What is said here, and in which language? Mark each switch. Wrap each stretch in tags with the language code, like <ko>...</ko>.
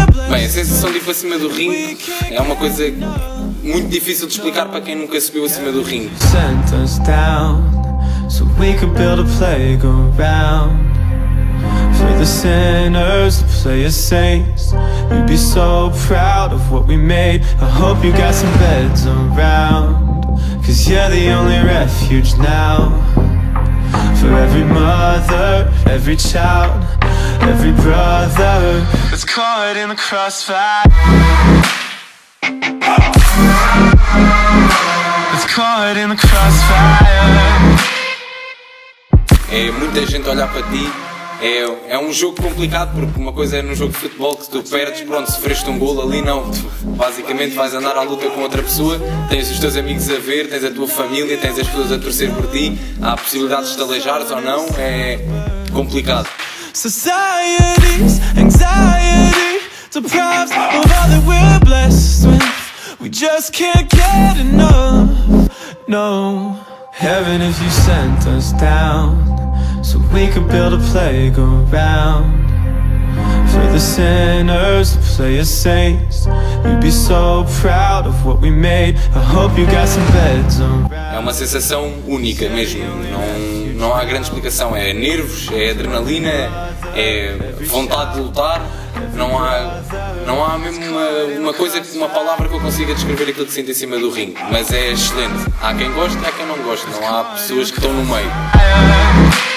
<pt>Bem, a sensação de ir para cima do ringue é uma coisa muito difícil de explicar para quem nunca subiu acima do ringue.</pt> <en>Sent us down, so we could build a playground. For the sinners, the players, saints, you'd be so proud of what we made. I hope you got some beds around, 'cause you're the only refuge now. For every mother, every child, every brother that's caught in the crossfire. That's caught in the crossfire.</en> <pt>É muita gente olhar para ti. É um jogo complicado, porque uma coisa é num jogo de futebol que tu perdes, pronto, sofreste um golo ali, não. Tu basicamente vais andar à luta com outra pessoa, tens os teus amigos a ver, tens a tua família, tens as pessoas a torcer por ti, há possibilidades de te aleijares ou não, é complicado.</pt> <en>Society's anxiety deprives of all that we're blessed with. We just can't get enough, no. Heaven if you sent us down, so we could build a playground. For the sinners, the players, saints, you'd be so proud of what we made. I hope you got some beds around.</en> <pt>É uma sensação única mesmo. Não há grande explicação. É nervos, é adrenalina, é vontade de lutar. Não há mesmo uma palavra que eu consiga descrever aquilo que sinto em cima do ringue. Mas é excelente. Há quem goste, há quem não goste. Não há pessoas que estão no meio.</pt>